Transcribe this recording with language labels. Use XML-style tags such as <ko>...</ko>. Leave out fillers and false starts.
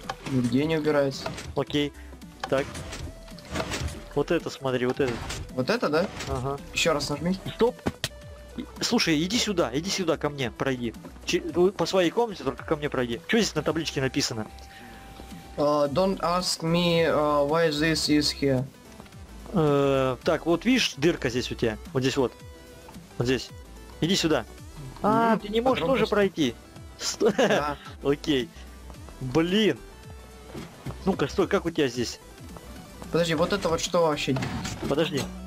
<ru>Нигде не убирается. Окей. Так. Вот это, смотри, вот это. Вот это, да? Ага. Еще раз нажми. Стоп. Слушай, иди сюда ко мне, пройди. По своей комнате только ко мне пройди. Что здесь на табличке написано?</ru> <en>Don't ask me why this is here.</en> <ru>Так, вот видишь, дырка здесь у тебя. Вот здесь вот. Вот здесь. Иди сюда. А, ты не можешь тоже пройти. Окей. Блин. Ну-ка, стой, как у тебя здесь? Подожди, вот это вот что вообще? Подожди.</ru>